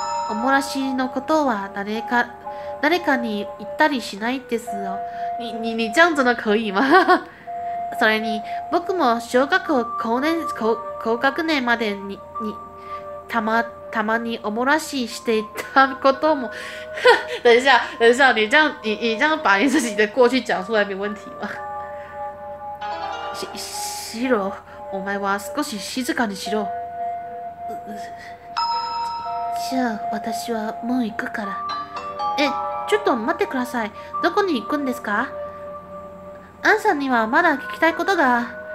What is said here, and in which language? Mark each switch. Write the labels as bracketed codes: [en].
[ja] おもらしのことは誰かに言ったりしないですよ。 [zh] 你这样真的可以吗？ [ja] それに僕も小学校高学年までにたまにおもらししていたことも。 [zh] 等一下，你这样把你自己的过去讲出来没问题吗？ [ja] しろ、お前は少し静かにしろ。じゃあ私はもう行くから。ちょっと待ってください。どこに行くんですか？安さんにはまだ聞きたいことが。